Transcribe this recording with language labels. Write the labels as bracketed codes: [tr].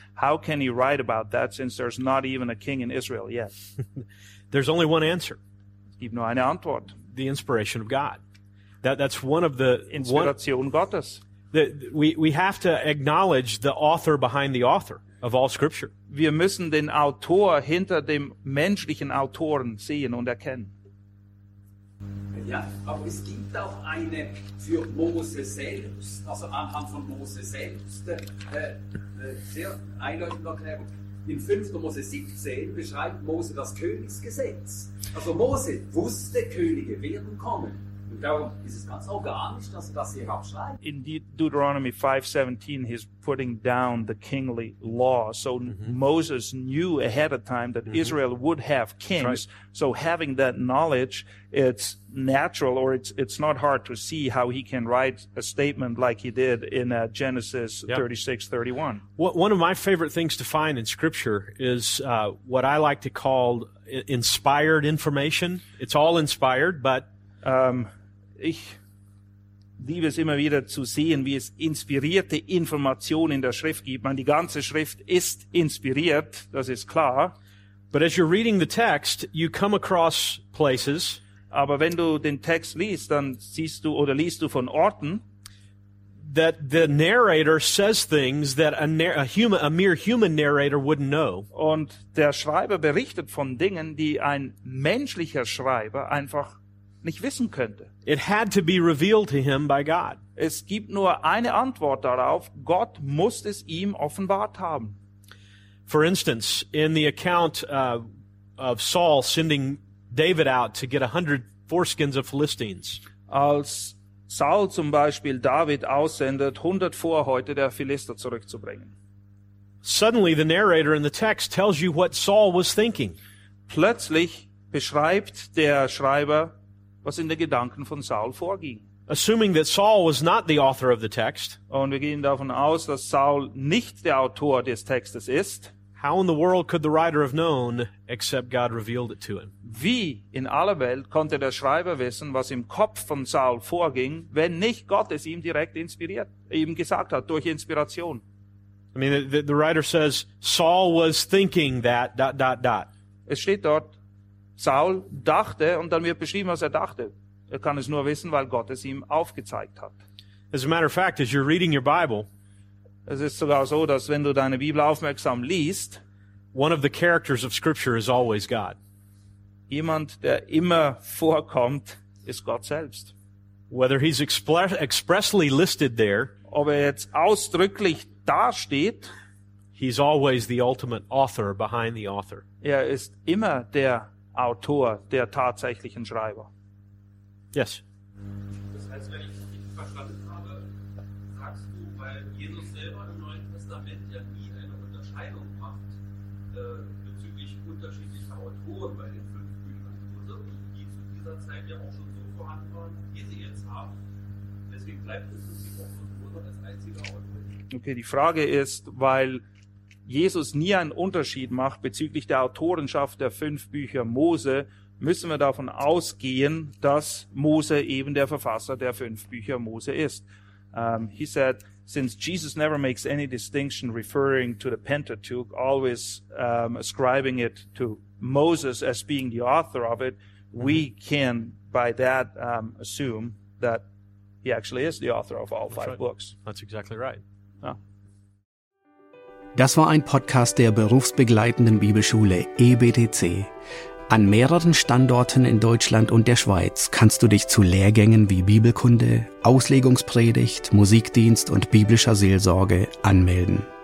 [en] How can he write about that since there's not even a king in Israel yet? There's only one answer. [de] Es gibt nur eine Antwort. [en] The inspiration of God. That's one of the... [de] Inspiration Gottes. [en] We have to acknowledge the author behind the author of all scripture. [de] Wir müssen den Autor hinter dem menschlichen Autoren sehen und erkennen. Ja, aber es gibt auch eine für Mose selbst, also anhand von Mose selbst, sehr eindeutige Erklärung. In 5. Mose 17 beschreibt Mose das Königsgesetz. Also Mose wusste, Könige werden kommen. Und darum ist es ganz organisch, dass er das hier abschreibt. [en] In Deuteronomy 5:17, he's putting down the kingly law. So Moses knew ahead of time that Israel would have kings. Right. So having that knowledge, it's natural, or it's not hard to see how he can write a statement like he did in Genesis 36:31. One of my favorite things to find in Scripture is what I like to call inspired information. It's all inspired, but... [de] Ich liebe es immer wieder zu sehen, wie es inspirierte Informationen in der Schrift gibt. Man, die ganze Schrift ist inspiriert, das ist klar. [en] But as you're reading the text, you come across places. [de] Aber wenn du den Text liest, dann siehst du oder liest du von Orten, [en] that the narrator says things that a mere human narrator wouldn't know. [de] Und der Schreiber berichtet von Dingen, die ein menschlicher Schreiber einfach nicht wissen könnte. [en] It had to be revealed to him by God. [de] Es gibt nur eine Antwort darauf. Gott muss es ihm offenbart haben. [en] For instance, in the account of Saul sending David out to get 100 foreskins of Philistines. [de] Als Saul zum Beispiel David aussendet, 100 Vorhäute der Philister zurückzubringen. [en] Suddenly the narrator in the text tells you what Saul was thinking. [de] Plötzlich beschreibt der Schreiber, was in den Gedanken von Saul vorging. [en] Assuming that Saul was not the author of the text, [de] und wir gehen davon aus, dass Saul nicht der Autor des Textes ist, [en] how in the world could the writer have known except God revealed it to him? [de] Wie in aller Welt konnte der Schreiber wissen, was im Kopf von Saul vorging, wenn nicht Gott es ihm direkt inspiriert, ihm gesagt hat durch Inspiration? [en] I mean, the writer says Saul was thinking that dot dot dot. [de] Es steht dort, Saul dachte, und dann wird beschrieben, was er dachte. Er kann es nur wissen, weil Gott es ihm aufgezeigt hat. [en] As a matter of fact, as you're reading your Bible, [de] es ist sogar so, dass wenn du deine Bibel aufmerksam liest, [en] one of the characters of Scripture is always God. [de] Jemand, der immer vorkommt, ist Gott selbst. [en] Whether he's expressly listed there, [de] ob er jetzt ausdrücklich dasteht, [en] he's always the ultimate author behind the author. [de] Er ist immer der Autor, der tatsächlichen Schreiber. [en] Yes. [de] Das heißt, wenn ich dich verstanden habe, sagst du, weil Jesus selber im Neuen Testament ja nie eine Unterscheidung macht bezüglich unterschiedlicher Autoren bei den fünf Büchern, die zu dieser Zeit ja auch schon so vorhanden waren, wie sie jetzt haben. Deswegen bleibt es im Prinzip auch so als einziger Autor. Okay, die Frage ist, weil Jesus nie einen Unterschied macht bezüglich der Autorenschaft der fünf Bücher Mose, müssen wir davon ausgehen, dass Mose eben der Verfasser der fünf Bücher Mose ist. [en] He said, since Jesus never makes any distinction referring to the Pentateuch, always ascribing it to Moses as being the author of it, we can by that assume that he actually is the author of all five books. That's exactly right. Yeah. [de] Das war ein Podcast der berufsbegleitenden Bibelschule EBTC. An mehreren Standorten in Deutschland und der Schweiz kannst du dich zu Lehrgängen wie Bibelkunde, Auslegungspredigt, Musikdienst und biblischer Seelsorge anmelden.